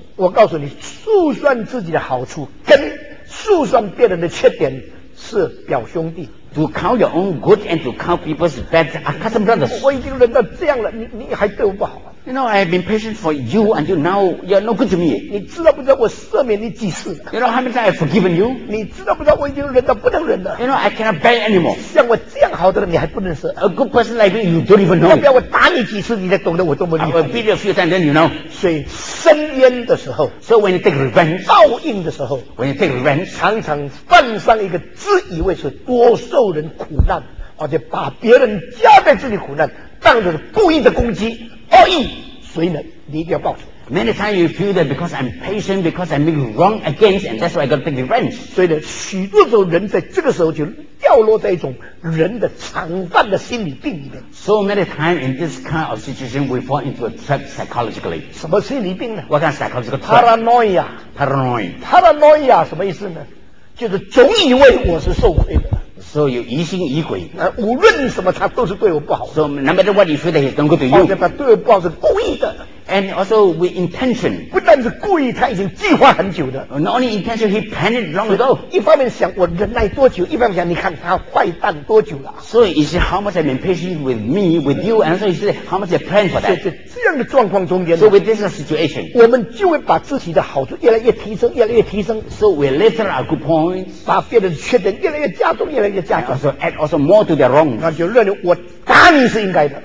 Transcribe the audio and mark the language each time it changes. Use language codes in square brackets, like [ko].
[zh] 我告诉你，速算自己的好处跟速算别人的缺点是表兄弟。 [en] To count your own good and to count people's bad are cousin brothers. [zh] 我已经忍到这样了，你还对我不好啊？ [en] You know, I have been patient for you until now. You are no good to me. [zh] 你知道不知道我赦免你几次？ [en] You know how many times I have forgiven you? [zh] 你知道不知道我已经忍到不能忍了？ [en] You know, I cannot bear anymore. [zh] 像我这样好的人，你还不认识？ [en] A good person like me, you don't even know. [zh] 要不要我打你几次，你才懂得我多么厉害？ [en] I will beat you a few times, then you know. [zh] 所以伸冤的时候， [en] so when you take revenge, [zh] 报应的时候， [en] when you take revenge, [zh] 常常犯上一个自以为是多受人苦难，而且把别人加在自己苦难，当作是故意的攻击。恶意，所以呢，你一定要报仇。 [en] Many times you feel that because I'm patient, because I make wrong against, and that's why I got to take revenge. [zh] 所以呢，许多时候人在这个时候就掉落在一种人的常犯的心理病里面。 [en] So many times in this kind of situation, we fall into a trap psychologically. [zh] 什么心理病呢？ [en] What kind of psychological trap? Paranoia. Paranoia. [zh] Paranoia 什么意思呢？就是总以为我是受亏的。 [en] So you [zh] 疑心疑鬼，无论什么他都是对我不好。 [en] So no matter what you feel that he's not good to you， [zh] 他对我不好是故意的。 [en] And also with intention， [zh] 不但是故意，他已经计划很久的。 [en] Not only intention， he planned it long ago。 [zh] 一方面想我忍耐多久，一方面想你看他坏蛋多久了。 [en] So he said how much I've been patient with me with you， and so he said how much I planned for that。 [zh] 在这样的状况中间， [en] so with this situation， [zh] 我们就会把自己的好处越来越提升，越来越提升。 [en] So we lessen our good points， [zh] 把别人的缺点越来越加重，越来越加重。 [en] So add also more to their wrongs， [zh] 那就认为我打你是应该的。